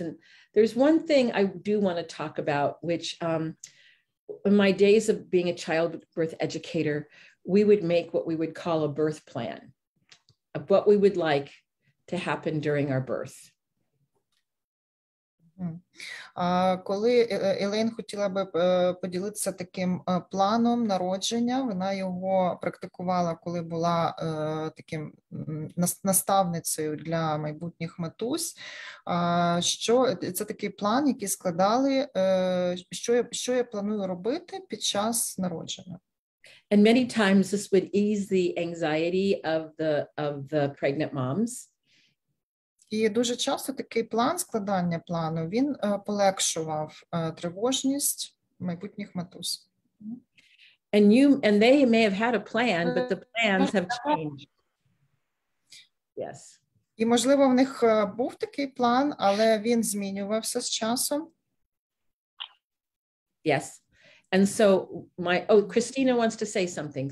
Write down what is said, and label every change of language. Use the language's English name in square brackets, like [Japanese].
[English] And there's one thing I do want to talk about, which in my days of being a childbirth educator, we would make what we would call a birth plan of what we would like to happen during our birth. [Ukrainian] Коли Елейн хотіла би поділитися таким планом народження, вона його практикувала, коли була таким наставницею для майбутніх матусь. Що це такий план, який складали, що я планую робити під час народження? [English] And many times this would ease the anxiety of the pregnant moms. [Ukrainian] І дуже часто такий план, складання плану, він полегшував тривожність майбутніх матусь. [English] And they may have had a plan, but the plans have changed. Yes. [Ukrainian] І можливо, в них був такий план, але він змінювався з часом. [English] Yes. And so my, oh, Christina wants to say something.